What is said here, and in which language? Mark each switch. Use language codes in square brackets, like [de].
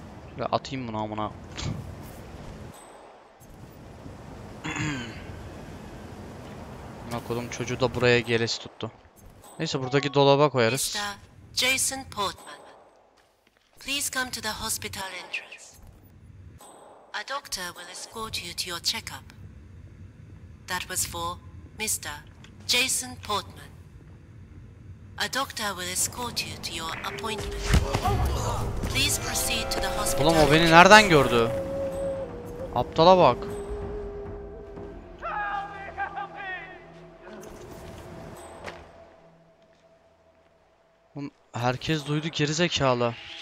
[tr] Şöyle atayım bunu amına. Kodum çocuğu da buraya gelesi tuttu. Neyse buradaki dolaba koyarız. [en] Mr. Jason Portman. Please come to the hospital entrance. A doctor will escort you to your checkup. That was for Mr. Jason Portman. A doctor will escort you to your appointment. Please proceed to the hospital. [tr] Oğlum o beni nereden gördü? Aptala bak. Herkes duydu geri zekalı.